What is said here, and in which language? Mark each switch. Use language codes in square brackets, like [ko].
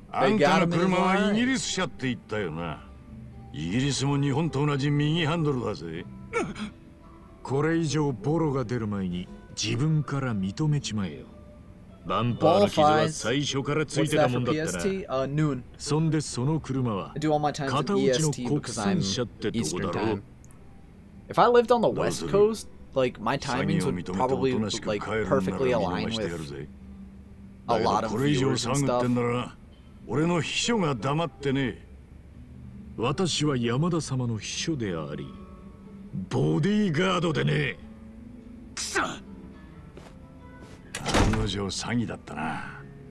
[ja] あんたの車はイギリス車って言ったよな。イギリスも日本と同じ右ハンドルだぜ。これ以上ボロが出る前に自分から認めちまえよ。バンパーの傷は最初からついてたもんだったら。そんでその車は片落ちの国産車ってとこだろ。 [en] If I lived on the west coast, like my timings would probably like perfectly align with a lot of viewers and stuff. [ja] これ以上騒ぐってんなら俺の秘書が黙ってねえ。私は山田様の秘書でありボディーガードでねえ。くそ、案の定詐欺だったな。